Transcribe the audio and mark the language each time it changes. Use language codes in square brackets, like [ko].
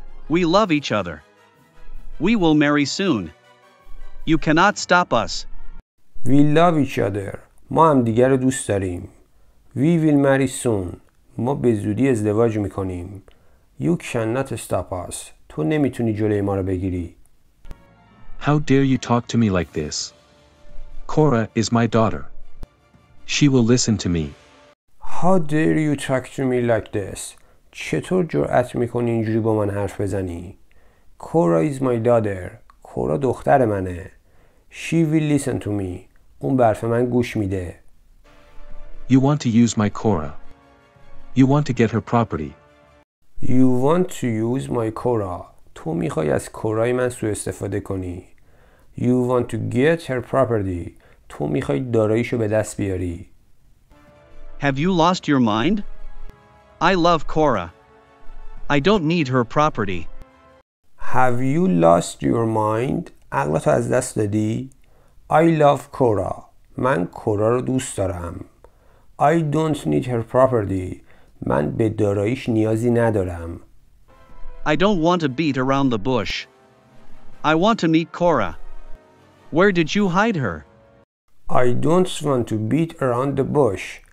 [en] We love each other. We will marry soon. You cannot stop us. We love each other. [fa] ما هم دیگر رو دوست داریم. [en] We will marry soon. [fa] ما به زودی ازدواج میکنیم. [en] You cannot stop us. [fa] تو نمیتونی جلوی ما رو بگیری. [en] How dare you talk to me like this? Cora is my daughter. She will listen to me. How dare you talk to me like this? [fa] چطور جرأت میکنی اینجوری با من حرف بزنی؟ [en] Cora is my daughter. Cora [fa] دختر منه. [en] She will listen to me. [fa] اون برف من گوش میده. [en] You want to use my Cora. You want to get her property. You want to use my Cora. [fa] تو میخوای از کورای من سوء استفاده کنی. [en] You want to get her property. [fa] تو میخوای داراییشو به دست بیاری. [en] Have you lost your mind? I love Cora. I don't need her property. Have you lost your mind? [fa] عقلت از دست دادی؟ [en] I love Cora. [fa] من کورا رو دوست دارم. [en] I don't need her property. [fa] من به داراییش نیازی ندارم. [en] I don't want to beat around the bush. I want to meet Cora. Where did you hide her? I don't want to beat around the bush.